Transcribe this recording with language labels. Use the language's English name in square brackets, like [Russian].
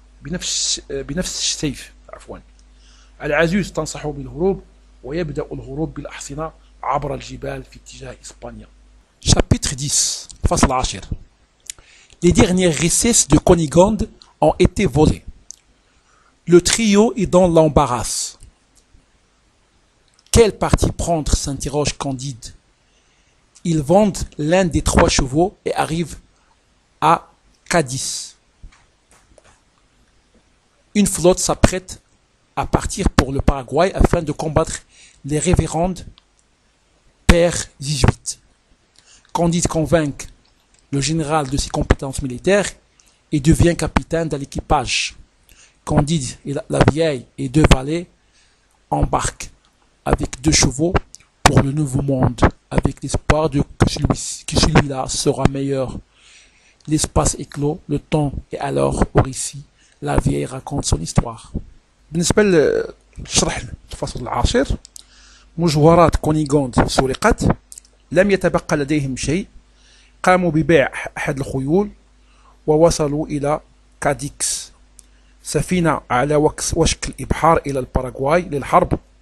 [Arabic] بنفس السيف عفوا العزيز تنصح بالهروب ويبدأ الهروب بالأحصنة عبر الجبال في اتجاه إسبانيا. [French] Chapitre 10, [Arabic] فصل 10. [French] Les dernières richesses de Conigonde ont été volées. Le trio est dans l'embarras. Quel parti prendre, s'interroge Candide. Ils vendent l'un des trois chevaux et arrivent à Cadiz. Une flotte s'apprête à partir pour le Paraguay afin de combattre les révérendes pères jésuites. Candide convainc le général de ses compétences militaires et devient capitaine de l'équipage. Candide et la vieille et deux valets embarquent avec deux chevaux pour le Nouveau Monde avec l'espoir de que celui-là sera meilleur. L'espace éclos, le temps est alors au récit. La vieille raconte son histoire. [Arabic] بالنسبة لشرح الفصل العاشر، مجوهرات كونيغوند سرقت، لم يتبقى لديهم شيء، قاموا ببيع أحد الخيول ووصلوا إلى كاديكس، سفينة على وشك الإبحار إلى الباراغواي للحرب.